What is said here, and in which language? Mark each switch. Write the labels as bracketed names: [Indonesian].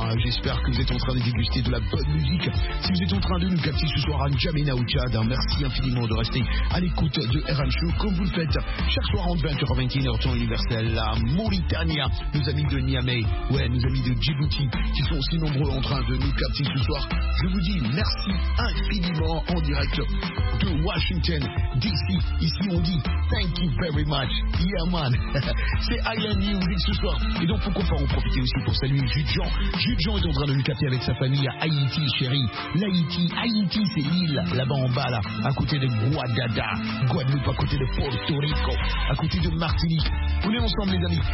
[French] J'espère que vous êtes en train de déguster de la bonne musique. Si vous êtes en train de nous capter ce soir à N'Djamena ou Tchad, merci infiniment de rester à l'écoute de RM Show comme vous le faites chaque soir entre 20h et 21h, temps universel, à Mauritanie, nos amis de Niamey, ouais, nos amis de Djibouti, qui sont aussi nombreux en train de nous capter ce soir. Je vous dis merci infiniment en direct de Washington, D.C. Ici, on dit [English] thank you very much. Yeah, man. [French] C'est Ayani où vous êtes ce soir. Et donc, pourquoi pas en profiter aussi pour saluer Jujan. Jujan est en train de nous capter avec sa famille à Haïti, chérie. L'Haïti, Haïti, c'est l'île là-bas en bas, là, à côté de Guadada, Guadeloupe, à côté de Porto Rico, à côté de Martinique. On est ensemble, les amis.